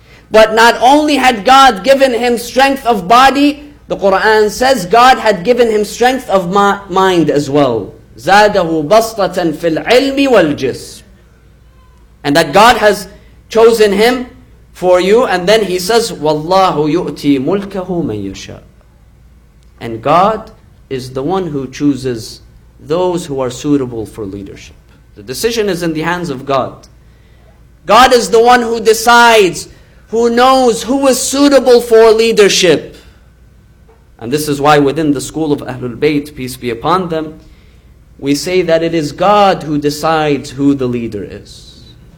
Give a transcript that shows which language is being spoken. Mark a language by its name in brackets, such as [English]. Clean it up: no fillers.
[English] But not only had God given him strength of body, the Quran says God had given him strength of mind as well. [Arabic] زَادَهُ بَسْطَةً فِي الْعِلْمِ وَالْجِسْمِ. [English] And that God has chosen him for you. And then he says, [Arabic] وَاللَّهُ يُؤْتِي مُلْكَهُ مَنْ يَشَاءُ. [English] And God is the one who chooses those who are suitable for leadership. The decision is in the hands of God. God is the one who decides, who knows who is suitable for leadership. And this is why within the school of Ahlul Bayt, peace be upon them, we say that it is God who decides who the leader is.